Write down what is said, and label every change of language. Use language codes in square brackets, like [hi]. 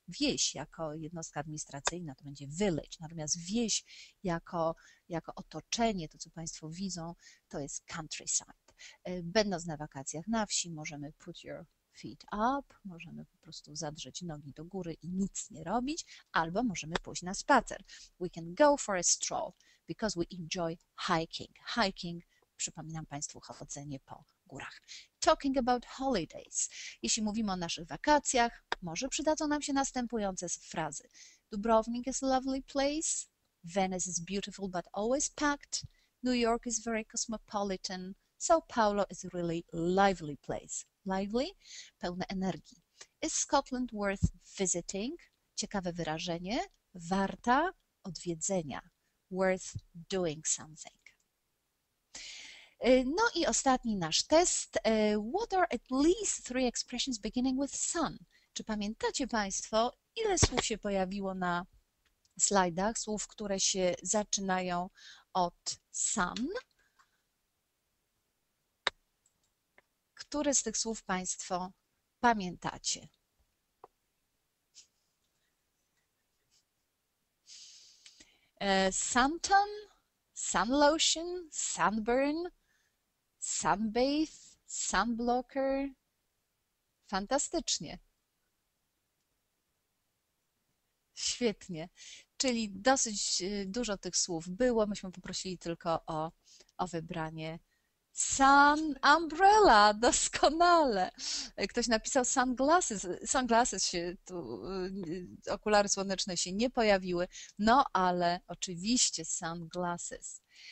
[pl] Wieś jako jednostka administracyjna to będzie village, natomiast wieś jako otoczenie, to co Państwo widzą, to jest countryside. Będąc na wakacjach na wsi, możemy [en] put your feet up, [pl] możemy po prostu zadrzeć nogi do góry i nic nie robić, albo możemy pójść na spacer. [en] We can go for a stroll because we enjoy hiking. [pl] Hiking, przypominam Państwu, chodzenie po górach. [en] Talking about holidays. [pl] Jeśli mówimy o naszych wakacjach, może przydadzą nam się następujące frazy. [en] Dubrovnik is a lovely place. Venice is beautiful, but always packed. New York is very cosmopolitan. São Paulo is a really lively place. Lively? [pl] Pełne energii. [en] Is Scotland worth visiting? [pl] Ciekawe wyrażenie. Warta odwiedzenia. [en] Worth doing something. [pl] No i ostatni nasz test. [en] What are at least three expressions beginning with sun? [pl] Czy pamiętacie Państwo, ile słów się pojawiło na slajdach, słów, które się zaczynają od sun? Które z tych słów Państwo pamiętacie? [en] Suntan, sunlotion, sunburn, sunbathe, sunblocker. [pl] Fantastycznie. Świetnie, czyli dosyć dużo tych słów było. Myśmy poprosili tylko o wybranie sun umbrella, doskonale. Ktoś napisał sunglasses, sunglasses się tu, okulary słoneczne się nie pojawiły, no ale oczywiście sunglasses.